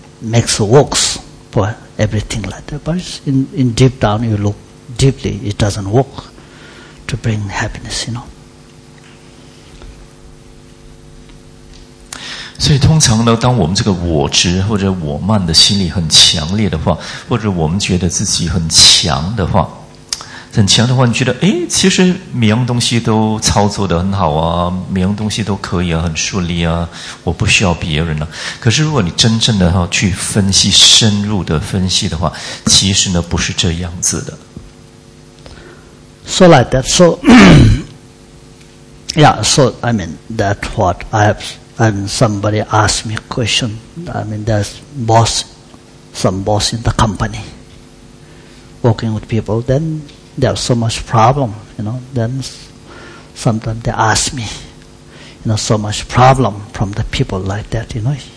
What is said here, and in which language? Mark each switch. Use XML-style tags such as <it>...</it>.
<en>Makes works for everything like that. But in deep down, you look deeply, it doesn't work to bring happiness, you know.</en> <zh>所以通常呢，当我们这个我执或者我慢的心理很强烈的话，或者我们觉得自己很强的话，很强的话，你觉得哎，其实每样东西都操作得很好啊，每样东西都可以啊，很顺利啊，我不需要别人了、啊。可是如果你真正的去分析、深入的分析的话，其实呢不是这样子的。</zh> <en>So like that, so yeah, so I mean that what I have, and somebody asked me a question. I mean there's boss, some boss in the company, working with people, then. There are so much problem, you know. Then sometimes they ask me, you know, so much problem from the people like that, you know.</en>